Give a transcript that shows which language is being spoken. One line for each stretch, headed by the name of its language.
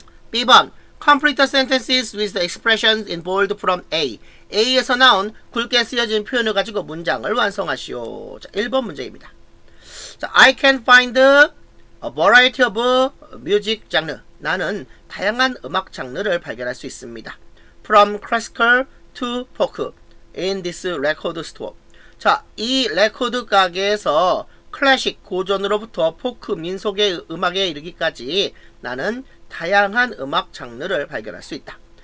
English: B번, complete sentences with the expressions in bold from A.
Korean: A에서 나온 굵게 쓰여진 표현을 가지고 문장을 완성하시오. 자, 1번 문제입니다. 자,
English: I can find a variety of music genre.
Korean: 나는 다양한 음악 장르를 발견할 수 있습니다.
English: From classical to folk in this record store.
Korean: 자, 이 레코드 가게에서 클래식 고전으로부터 포크 민속의 음악에 이르기까지 나는 다양한 음악 장르를 발견할 수 있다.